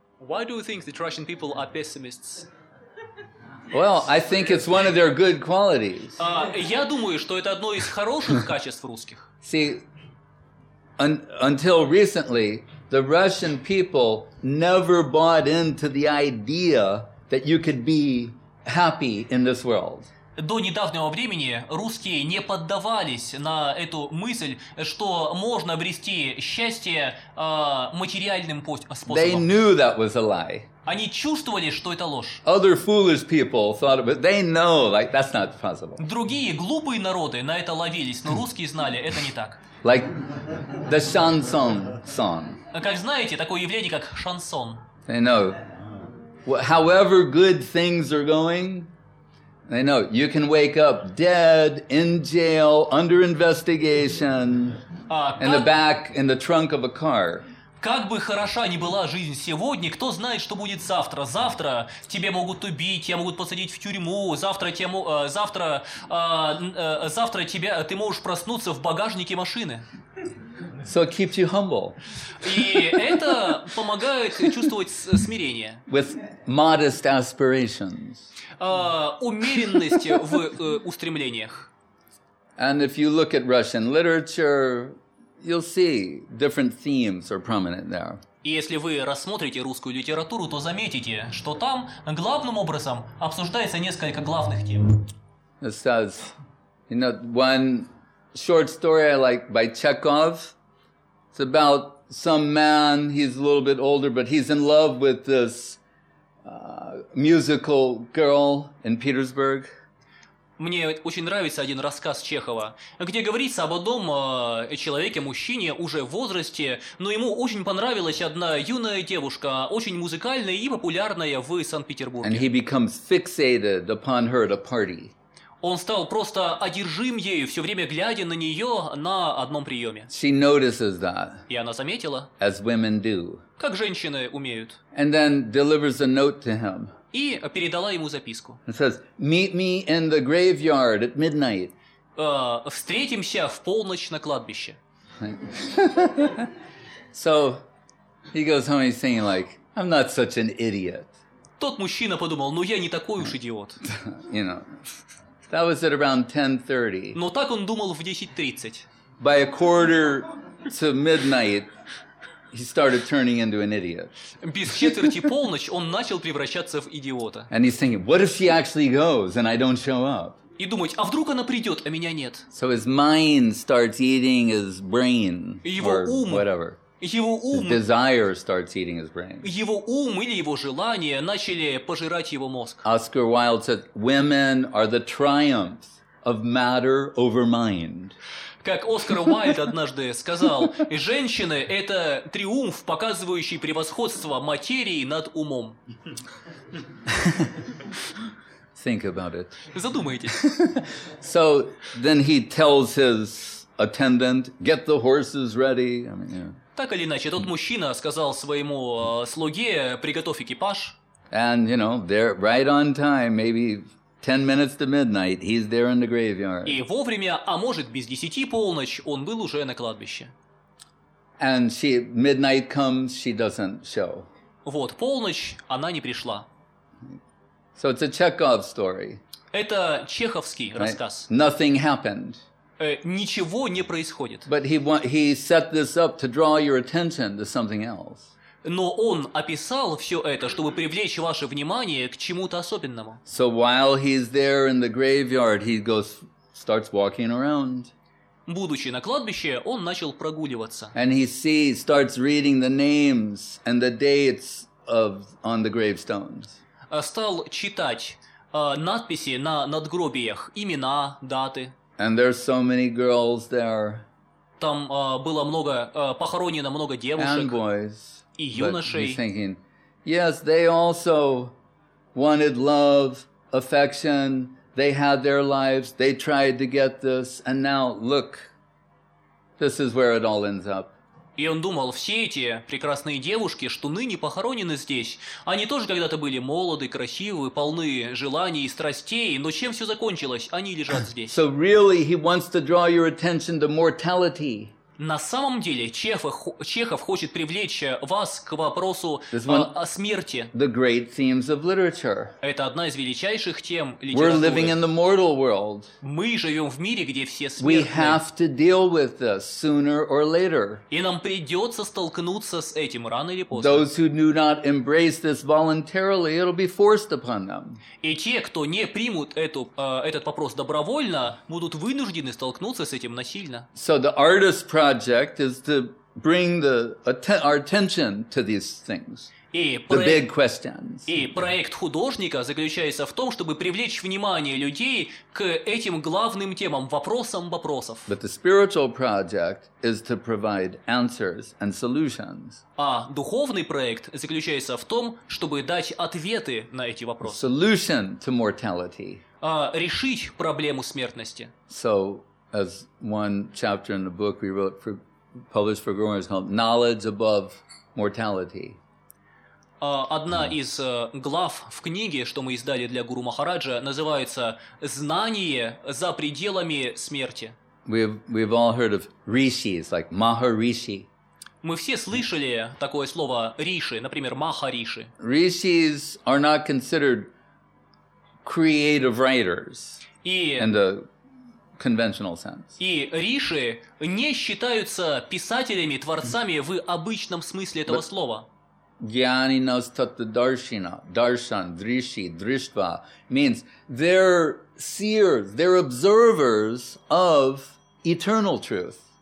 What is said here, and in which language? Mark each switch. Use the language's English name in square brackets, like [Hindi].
[English] Why do you think that Russian people are pessimists? Well, I think it's one of their good qualities. [Russian] Я думаю, что это одно из хороших качеств русских. [English] See, until recently, the Russian people never bought into the idea that you could be happy in this world. [Russian] До недавнего времени русские не поддавались на эту мысль, что можно обрести счастье материальным способом. [English] They knew that was a lie. [Russian] Они чувствовали, что это ложь. [English] Other foolish people thought of it. They know, like, that's not possible. [Russian] Другие глупые народы на это ловились, но русские знали, это не так. [English] Like the chanson song. [Russian] Как знаете, такое явление, как шансон. [English] They know. However good things are going, they know you can wake up dead in jail under investigation in the back in the trunk of a car. [Russian] Как бы хороша ни была жизнь сегодня, кто знает, что будет завтра? Завтра тебе могут убить, тебя могут посадить в тюрьму. Завтра тебя ты можешь проснуться в багажнике машины. [English] So it keeps you humble. [Russian] И это помогает чувствовать смирение. [English] With modest aspirations. [Russian] Умеренность в устремлениях. [English] And if you look at Russian literature, you'll see different themes are prominent there. [Russian] И если вы рассмотрите русскую литературу, то заметите, что там главным образом обсуждается несколько главных тем. [English] It says, you know, one short story I like by Chekhov. It's about some man, he's a little bit older, but he's in love with this musical girl in Petersburg. [Russian] Мне очень нравится один рассказ Чехова, где говорится об одном человеке, мужчине уже в возрасте, но ему очень понравилась одна юная девушка, очень музыкальная и популярная в Санкт-Петербурге. [English] And he becomes fixated upon her at a party. [Russian] Он стал просто одержим ею, все время глядя на нее на одном приеме. [English] She notices that, [Russian] и она заметила, [English] as women do. [Russian] Как женщины умеют. [English] And then delivers a note to him. [Russian] И передала ему записку. [English] It says, meet me in the graveyard at midnight. [Russian] Встретимся в полночь на кладбище. [English] So he goes home, he's saying like, I'm not such an idiot. [Russian] Тот мужчина подумал, ну я не такой уж идиот. [English] You know, that was at around 10:30. [Russian] Но так он думал в 10:30. [English] By a quarter to midnight, he started turning into an idiot. [Russian] Без четверти полночь он начал превращаться в идиота. [English] And he's thinking, what if she actually goes and I don't show up? [Russian] И думать, а вдруг она придет, а меня нет? [English] So his mind starts eating his brain, or whatever. [Russian] Его ум, [English] his desire starts eating his brain. [Russian] Его ум или его желания начали пожирать его мозг. [English] Oscar Wilde said, women are the triumph of matter over mind. [Russian] Как Оскар Уайльд однажды сказал, женщины — это триумф, показывающий превосходство материи над умом. [English] Think about it. [Russian] Задумайтесь. [English] So then he tells his attendant, get the horses ready. I mean, yeah. [Russian] Так или иначе, тот мужчина сказал своему слуге, приготовь экипаж. [English] And, you know, they're right on time, maybe 10 minutes to midnight, he's there in the graveyard. [Russian] И вовремя, а может без 10 полночь, он был уже на кладбище. [English] And she, midnight comes, she doesn't show. [Russian] Вот, полночь, она не пришла. [English] So it's a Chekhov story. [Russian] Это чеховский [English] right? [Russian] рассказ. [English] Nothing happened. [Russian] Ничего не происходит. [English] But he set this up to draw your attention to something else. [Russian] Но он описал все это, чтобы привлечь ваше внимание к чему-то особенному. [English] So while he's there in the graveyard, he goes, starts walking around. [Russian] Будучи на кладбище, он начал прогуливаться. [English] And he sees, starts reading the names and the dates of on the gravestones. [Russian] Стал читать надписи на надгробиях, имена, даты. [English] And there's so many girls there. [Russian] Там было много похоронено много девушек. [English] And boys. [Russian] И юношей. [English] But he's thinking, yes, they also wanted love, affection. They had their lives. They tried to get this, and now look, this is where it all ends up. [Russian] И он думал, все эти прекрасные девушки, что ныне похоронены здесь, они тоже когда-то были молоды, красивы, полны желаний и страстей, но чем все закончилось? Они лежат здесь. [English] So really, he wants to draw your attention to mortality. [Russian] На самом деле, Чехов хочет привлечь вас к вопросу о смерти. [English] The great themes of literature. [Russian] Это одна из величайших тем литературы. [English] We're living in the mortal world. [Russian] Мы живем в мире, где все смертны. [English] We have to deal with this sooner or later. [Russian] И нам придется столкнуться с этим рано или поздно. [English] Those who do not embrace this voluntarily, it'll be forced upon them. [Russian] И те, кто не примут этот вопрос добровольно, будут вынуждены столкнуться с этим насильно. [English] So the artist project is to bring our attention to these things, the big questions. [Russian] И проект художника заключается в том, чтобы привлечь внимание людей к этим главным темам, вопросам вопросов. [English] But the spiritual project is to provide answers and solutions. [Russian] А духовный проект заключается в том, чтобы дать ответы на эти вопросы. [English] Solution to mortality. [Russian] А решить проблему смертности. [English] So, as one chapter in the book we wrote for published for Growers called Knowledge Above Mortality. [Russian] Одна из глав в книге, что мы издали для Гуру Махараджа, называется «Знание за пределами смерти». [English] We've all heard of rishis, like Maharishi. [Russian] Мы все слышали такое слово риши, например, Махариши. [English] Rishis are not considered creative writers in the conventional sense. [Russian] И риши не считаются писателями, творцами в обычном смысле этого слова. [Sanskrit] Gyani nas tattva darshina, darshan, drishi, drishtva [English] means they're seers, they're observers of eternal truth.